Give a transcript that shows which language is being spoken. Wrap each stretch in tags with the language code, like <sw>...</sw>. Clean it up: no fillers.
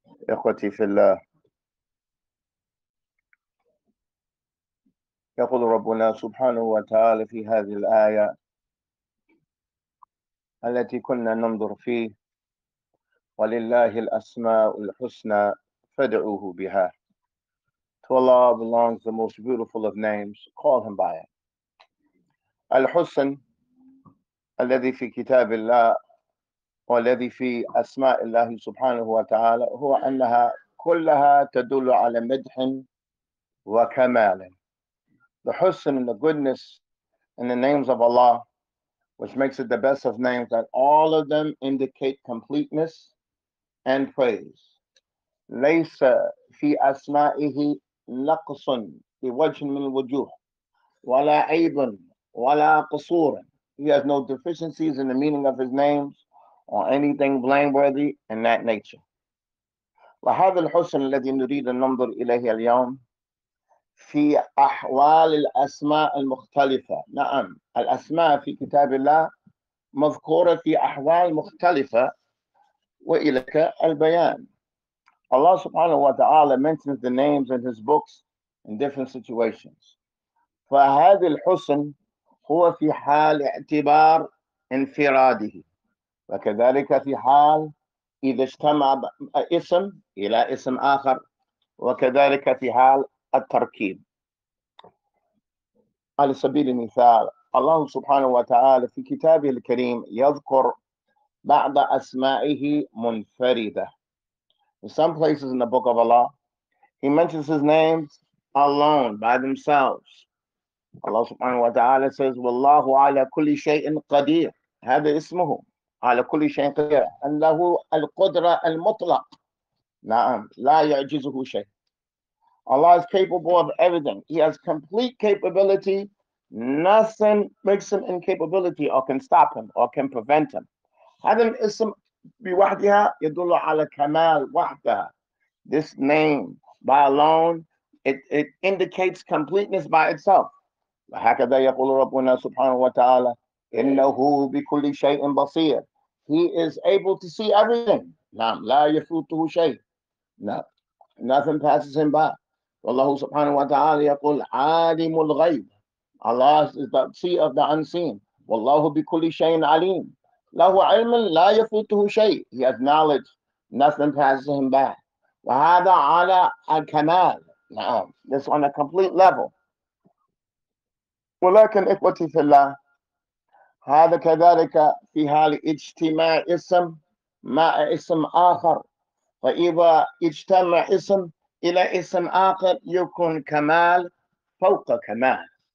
<ar>إخوتي في الله، يقول ربنا سبحانه وتعالى في هذه الآية التي كنا ننظر فيه: ولله الأسماء الحسنى فادعوه بها.</ar> <en>To Allah belongs the most beautiful of names, call him by it.</en> <ar>Al-Husn, الذي في كتاب الله والذي في أسماء الله سبحانه وتعالى هو أنها كلها تدل على مدح وكمال.</ar> <en>The Husn and the goodness in the names of Allah, which makes it the best of names, that all of them indicate completeness and praise.</en> <ar>ليس في أسمائه نقص بوجه من الوجوه ولا عيب ولا قصور.</ar> <en>He has no deficiencies in the meaning of his names or anything blameworthy in that nature.</en> <ar>وهذا الحسن الذي نريد أن ننظر إليه اليوم في أحوال الأسماء المختلفة. نعم، الأسماء في كتاب الله مذكورة في أحوال مختلفة، وإليك البيان.</ar> <en>Allah subhanahu wa ta'ala mentions the names in his books in different situations.</en> <ar>فهذا الحسن هو في حال اعتبار انفراده، وكذلك في حال إذا اجتمع اسم إلى اسم آخر، وكذلك في حال التركيب. على سبيل المثال، الله سبحانه وتعالى في كتابه الكريم يذكر بعض أسمائه منفردة.</ar> <en>In some places in the book of Allah, he mentions his names alone, by themselves. Allah subhanahu wa ta'ala says,</en> <ar>وَاللَّهُ عَلَى كُلِّ شَيْءٍ قَدِيرٍ. هذا اسمه، على كل شيء قدير. أن له القدرة المطلق. نعم، لا يعجزه شيء.</ar> <en>Allah is capable of everything. He has complete capability. Nothing makes him incapability or can stop him or can prevent him.</en> <ar>هذا الاسم بوحدها يدل على كمال وحدها.</ar> <en>This name by alone, it indicates completeness by itself.</en> <ar>وهكذا يقول ربنا سبحانه وتعالى: إنه بكل شيء بصير.</ar> <en>He is able to see everything.</en> <ar>نعم، لا يفوته شيء.</ar> <en>نعم، nothing passes him by.</en> <ar>والله سبحانه وتعالى يقول: عالم الغيب.</ar> <en>Allah is the seer of the unseen.</en> <ar>والله بكل شيء عليم. له علم لا يفوته شيء.</ar> <en>He has knowledge, nothing passes him by.</en> <ar>وهذا على الكمال.</ar> <en>نعم، this on a complete level.</en> <ar>ولكن إخوتي في الله، هذا كذلك في حال اجتماع اسم مع اسم آخر. فإذا اجتمع اسم إلى اسم آخر يكون كمال فوق كمال.</ar>